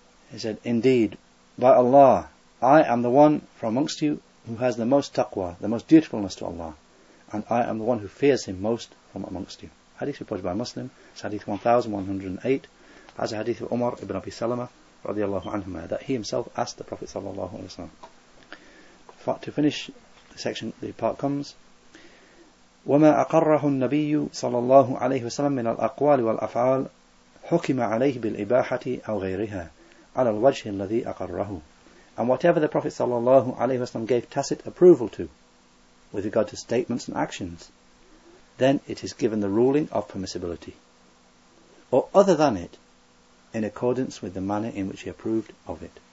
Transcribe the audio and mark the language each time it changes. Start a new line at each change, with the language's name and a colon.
English: He said, indeed, by Allah, I am the one from amongst you who has the most taqwa, the most dutifulness to Allah, and I am the one who fears him most from amongst you. Hadith reported by Muslim, it's hadith 1108, as a hadith of Umar ibn Abi Salama, radiallahu anhuma, that he himself asked the Prophet sallallahu alayhi wa sallam. To finish the section, the part comes,
Arabic: وَمَا أَقَرَّهُ النَّبِيُّ صَلَى اللَّهُ عَلَيْهِ وَسَلَمْ مِنَ الْأَقْوَالِ وَالْأَفْعَالِ حُكِمَ عَلَيْهِ بِالْإِبَاحَةِ أَوْ غَيْرِهَا عَلَى الْوَجْهِ الَّذِي أَقَرَّهُ.
English: And whatever the Prophet sallallahu alayhi wasallam gave tacit approval to with regard to statements and actions, then it is given the ruling of permissibility, or other than it, in accordance with the manner in which he approved of it.